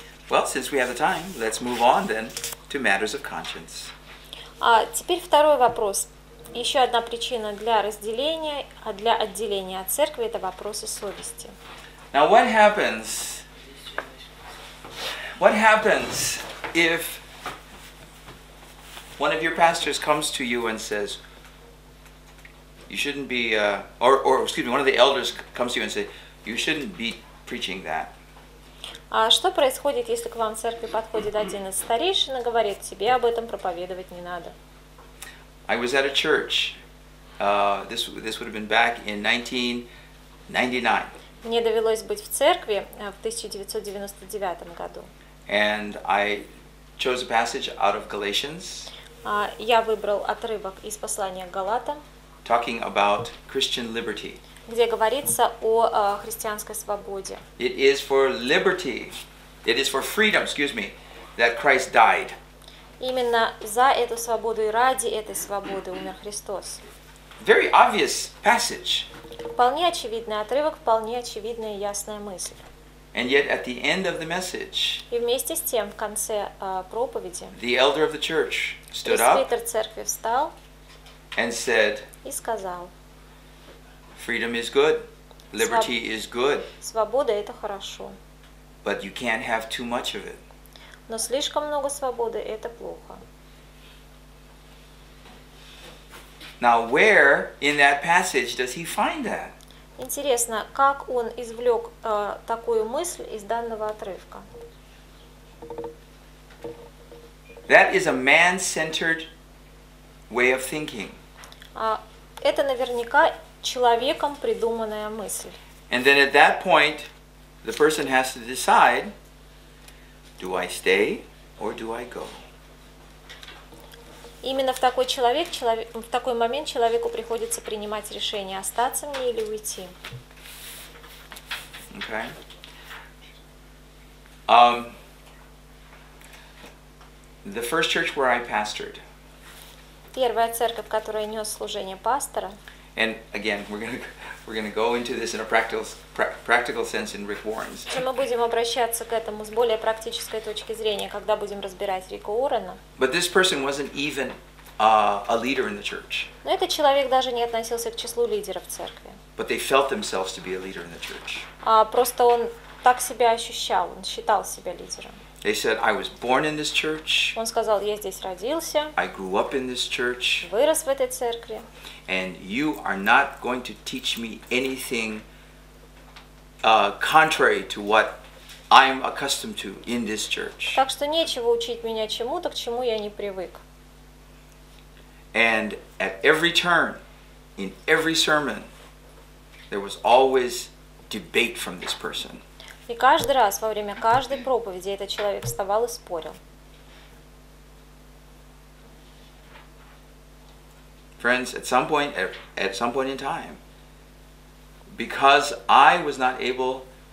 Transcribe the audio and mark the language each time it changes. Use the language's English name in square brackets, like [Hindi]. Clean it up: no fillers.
[English] Well, since we have the time, let's move on then to matters of conscience. [Russian] Теперь второй вопрос. Еще одна причина для разделения, а для отделения от церкви – это вопросы совести. [English] Now, what happens if one of your pastors comes to you and says, you shouldn't be, one of the elders comes to you and says, you shouldn't be preaching that. [Russian] А что происходит, если к вам в церкви подходит один из старейшин и говорит, тебе об этом проповедовать не надо? [English] I was at a church. This would have been back in 1999. [Russian] Мне довелось быть в церкви в 1999 году. [English] And I chose a passage out of Galatians. [Russian] Я выбрал отрывок из послания к Галатам. [English] Talking about Christian liberty. [Russian] Где говорится о христианской свободе. [English] It is for liberty, it is for freedom, that Christ died. [Russian] Именно за эту свободу и ради этой свободы умер Христос. [English] Very obvious passage. [Russian] Вполне очевидный отрывок, вполне очевидная и ясная мысль. [English] And yet at the end of the message. [Russian] И вместе с тем, в конце проповеди. [English] The elder of the church stood up. [Russian] Пресвитер церкви встал. [English] And said. [Russian] И сказал. [English] Freedom is good. Liberty is good. [Russian] Свобода – это хорошо. [English] But you can't have too much of it. [Russian] Но слишком много свободы – это плохо. [English] Now, where in that passage does he find that? [Russian] Интересно, как он извлек такую мысль из данного отрывка? [English] That is a man-centered way of thinking. [Russian] Это наверняка человеком придуманная мысль. [English] And then at that point, the person has to decide, do I stay or do I go? [Russian] Именно в такой человек, в такой момент человеку приходится принимать решение, остаться мне или уйти. [English] Okay. The first church where I pastored. [Russian] Первая церковь, которая нес служение пастора. [English] And again, we're gonna go into this in a practical sense in Rick Warren's. [Russian] Чем мы будем обращаться к этому с более практической точки зрения, когда будем разбирать Рика Уоррена. [English] But this person wasn't even a leader in the church. [Russian] Но этот человек даже не относился к числу лидеров церкви. [English] But they felt themselves to be a leader in the church. [Russian] Просто он так себя ощущал, он считал себя лидером. [English] They said, I was born in this church. [Russian] Он сказал, я здесь родился. [English] I grew up in this church. [Russian] Вырос в этой церкви. [English] And you are not going to teach me anything contrary to what I'm accustomed to in this church. [Russian] Так что нечего учить меня чему-то, к чему я не привык. [English] And at every turn, in every sermon, there was always debate from this person. [Russian] И каждый раз, во время каждой проповеди, этот человек вставал и спорил. [English] Friends, at some point in time, because I was not able